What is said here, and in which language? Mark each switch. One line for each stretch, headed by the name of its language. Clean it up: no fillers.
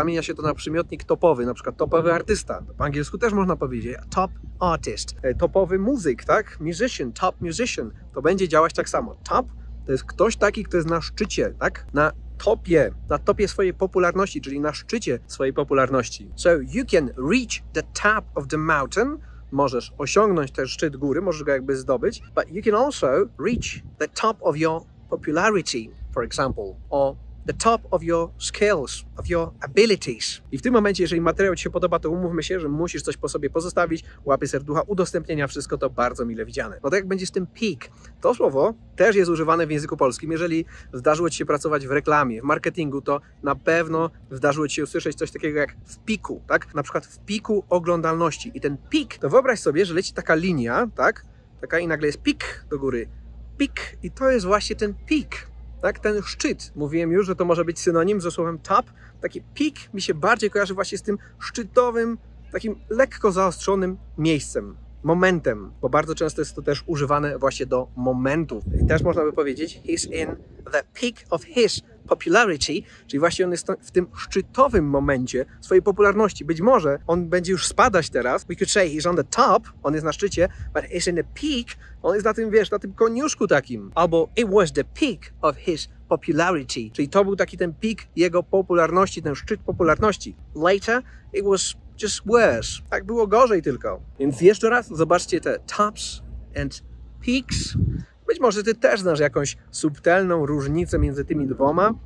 Polish: Zamienia się to na przymiotnik topowy, na przykład topowy artysta. Po angielsku też można powiedzieć
English: top artist,
Polish: topowy muzyk, tak?
English: Musician, top musician.
Polish: To będzie działać tak samo. Top to jest ktoś taki, kto jest na szczycie, tak? Na topie swojej popularności, czyli na szczycie swojej popularności.
English: So you can reach the top of the mountain.
Polish: Możesz osiągnąć ten szczyt góry, możesz go jakby zdobyć.
English: But you can also reach the top of your popularity, for example. Or the top of your skills, of your abilities.
Polish: I w tym momencie, jeżeli materiał ci się podoba, to umówmy się, że musisz coś po sobie pozostawić. Łapy serducha, udostępnienia, wszystko to bardzo mile widziane. No to jak będzie z tym peak? To słowo też jest używane w języku polskim. Jeżeli zdarzyło ci się pracować w reklamie, w marketingu, to na pewno zdarzyło ci się usłyszeć coś takiego jak w piku, tak? Na przykład w piku oglądalności. I ten peak, to wyobraź sobie, że leci taka linia, tak? Taka i nagle jest peak do góry. Peak. I to jest właśnie ten peak. Tak, ten szczyt. Mówiłem już, że to może być synonim ze słowem top. Taki peak mi się bardziej kojarzy właśnie z tym szczytowym, takim lekko zaostrzonym miejscem, momentem. Bo bardzo często jest to też używane właśnie do momentu. I też można by powiedzieć,
English: he's in the peak of his popularity.
Polish: Czyli właśnie on jest w tym szczytowym momencie swojej popularności. Być może on będzie już spadać teraz.
English: We could say he's on the top,
Polish: on jest na szczycie,
English: but he's in the peak,
Polish: on jest na tym, wiesz, na tym koniuszku takim. Albo
English: it was the peak of his popularity.
Polish: Czyli to był taki ten peak jego popularności, ten szczyt popularności.
English: Later it was just worse.
Polish: Tak było gorzej tylko. Więc jeszcze raz zobaczcie te
English: tops and peaks.
Polish: Być może ty też znasz jakąś subtelną różnicę między tymi dwoma.